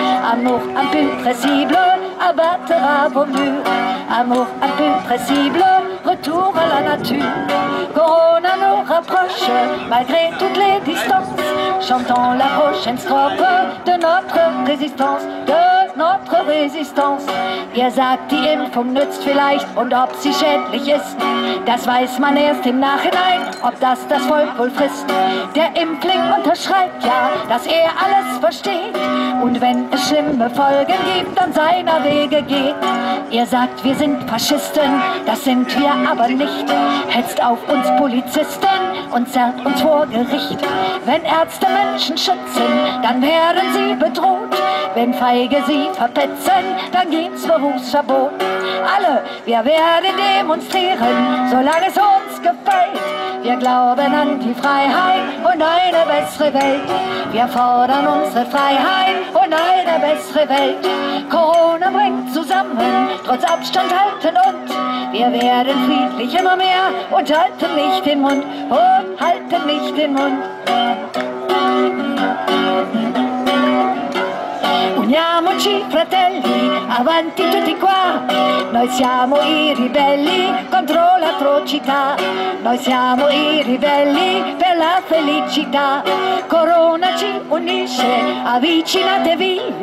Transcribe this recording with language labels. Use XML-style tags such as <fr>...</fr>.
<fr>Amour imputrescible, abattra vos murs. Amour imputrescible, retour à la nature. Corona nous rapproche, malgré toutes les distances. Chantons la prochaine strophe de notre résistance. De notre résistance.</fr> <de>Ihr sagt, die Impfung nützt vielleicht und ob sie schädlich ist. Das weiß man erst im Nachhinein, ob das das Volk wohl frisst. Der Impfling unterschreibt ja, dass er alles versteht. Und wenn es schlimme Folgen gibt, dann seiner Wege geht. Ihr sagt, wir sind Faschisten, das sind wir aber nicht. Hetzt auf uns Polizisten und zerrt uns vor Gericht. Wenn Ärzte Menschen schützen, dann werden sie bedroht. Wenn Feige sie verpetzen, dann gibt's Berufsverbot. Alle, wir werden demonstrieren, solange es uns gefällt. Wir glauben an die Freiheit und eine bessere Welt. Wir fordern unsere Freiheit und eine bessere Welt. Corona bringt zusammen, trotz Abstand halten und wir werden friedlich immer mehr und halten nicht den Mund. Und halten nicht den Mund.</de> <it>Uniamoci fratelli, avanti tutti qua. Noi siamo i ribelli contro l'atrocità. Noi siamo i ribelli per la felicità. Corona ci unisce, avvicinatevi.</it>